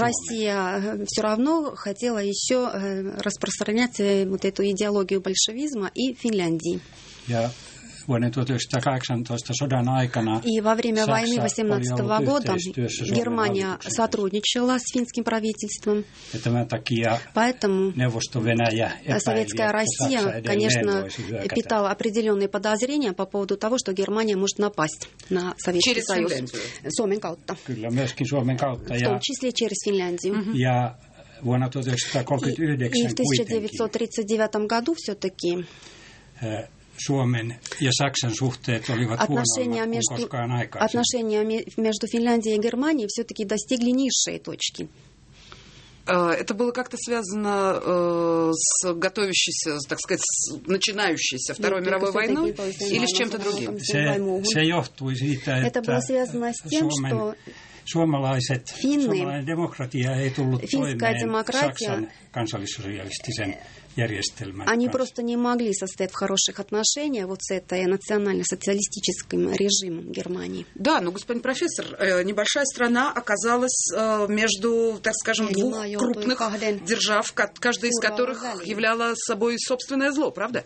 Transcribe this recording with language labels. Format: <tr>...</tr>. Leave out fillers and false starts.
<ru>Россия все равно хотела еще распространять вот эту идеологию большевизма и Финляндии.</ru> <fi>Ja vuoden 1918 sodan aikana</fi> <ru>и во время войны 18 года Германия сотрудничала с финским правительством. Поэтому Советская Россия, конечно, питала определенные подозрения по поводу того, что Германия может напасть на Советский Союз.</ru> <fi>Suomen kautta. Kyllä, myöskin Suomen kautta.</fi> <ru>В том числе через Финляндию.</ru> <fi>Ja vuonna 1939</fi> <ru>и в 1939 году все-таки</ru> <fi>Suomen ja Saksan suhteet olivat</fi> <ru>отношения</ru> <fi>huonommat kuin koskaan aikaisemmin.</fi> <ru>Отношения между Финляндией и Германией все-таки достигли низшей точки. Это было как-то связано с готовящейся, так сказать, с начинающейся Второй мировой войной или с чем-то другим?</ru> <fi>Se johtui siitä,</fi> <ru>это было связано с тем, что</ru> <fi>suomalainen demokratia ei tullut Saksan kansallissosialistisen järjestelmän.</fi> <ru>Они просто не могли состоять в хороших отношениях вот с этой национально-социалистическим режимом Германии. Да, но господин профессор, небольшая страна оказалась между, так скажем, двух крупных держав, каждая из которых являла собой собственное зло, правда?</ru>